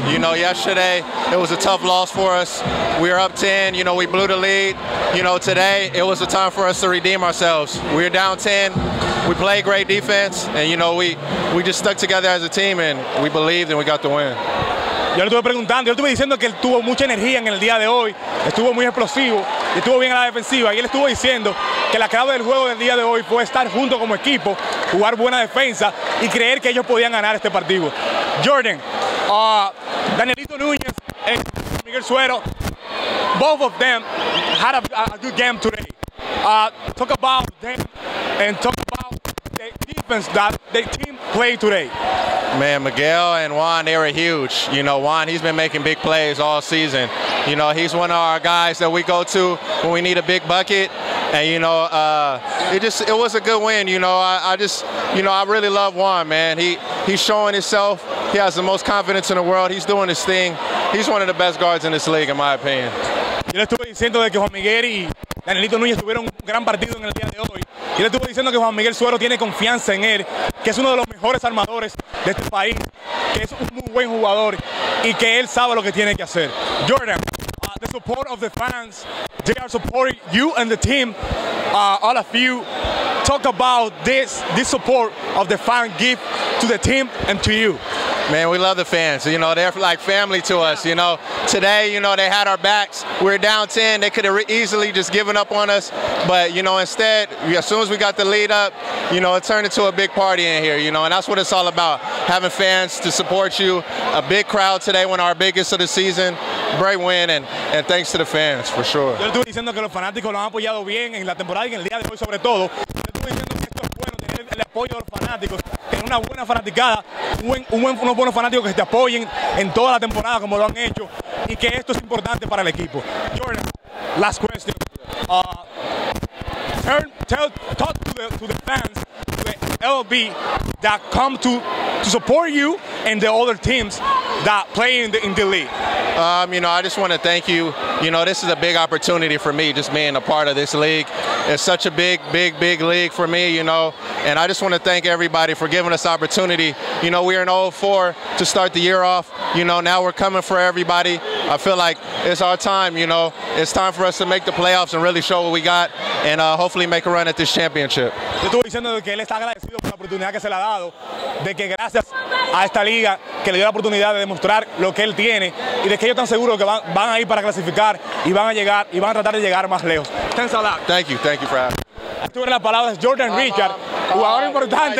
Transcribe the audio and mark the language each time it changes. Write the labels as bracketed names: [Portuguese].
[English] You know, yesterday it was a tough loss for us. We were up 10. You know, we blew the lead. You know, today it was a time for us to redeem ourselves. We were down 10. We played great defense, and you know, we just stuck together as a team, and we believed, and we got the win. [Spanish] Yo le estuve preguntando, yo estuve diciendo que él tuvo mucha energía en el día de hoy, estuvo muy explosivo y estuvo bien a la defensiva. Y él estuvo diciendo que la clave del juego del día de hoy fue estar junto como equipo, jugar buena defensa y creer que ellos podían ganar este partido. [English] Jordan, Danielito Núñez and Miguel Suero, both of them had a good game today. Talk about them and talk about the defense that the team played today. Man, Miguel and Juan, they were huge. You know, Juan, he's been making big plays all season. You know, he's one of our guys that we go to when we need a big bucket. And, you know, it was a good win. You know, I really love Juan, man. He's showing himself. He has the most confidence in the world. He's doing his thing. He's one of the best guards in this league, in my opinion. [Spanish] Yo le estuve diciendo que Juan Miguel y Danielito Núñez tuvieron un gran partido en el día de hoy. Yo le estuve diciendo que Juan Miguel Suero tiene confianza en él, que es uno de los mejores armadores de este país, que es un muy buen jugador y que él sabe lo que tiene que hacer. [English] Jordan, the support of the fans, they are supporting you and the team, all of you. Talk about this support of the fans give to the team and to you. Man, we love the fans. You know, they're like family to us. You know, today, you know, they had our backs. We were down 10. They could have easily just given up on us. But, you know, instead, as soon as we got the lead up, you know, it turned into a big party in here, you know, and that's what it's all about, having fans to support you. A big crowd today, one of our biggest of the season. Great win, and thanks to the fans, for sure. [Spanish] Yo estuve diciendo que los fanáticos los han apoyado bien en la temporada y en el día de hoy, sobre todo. Yo estuve diciendo que esto es bueno, tener el apoyo de los fanáticos, tener una buena fanaticada, unos buenos fanáticos que te apoyen en toda la temporada como lo han hecho, y que esto es importante para el equipo. [English] Jordan, last question. Talk to the fans, to the LB that come to support you and the other teams that play in the league. You know, I just want to thank you. You know, this is a big opportunity for me, just being a part of this league. It's such a big, big, big league for me, you know. And I just want to thank everybody for giving us the opportunity. You know, we are in 0-4 to start the year off. You know, now we're coming for everybody. I feel like it's our time, you know. It's time for us to make the playoffs and really show what we got, and hopefully make a run at this championship. [Spanish] Yo estuve diciendo que él está agradecido por la oportunidad que se le ha dado, de que gracias a esta liga que le dio la oportunidad de demostrar lo que él tiene, y de que ellos están seguros que van a ir para clasificar y van a llegar y van a tratar de llegar más lejos. [English] Thanks a lot. Thank you for having me. [Spanish] Estuve en las palabras de Jordan Richard, jugador importante.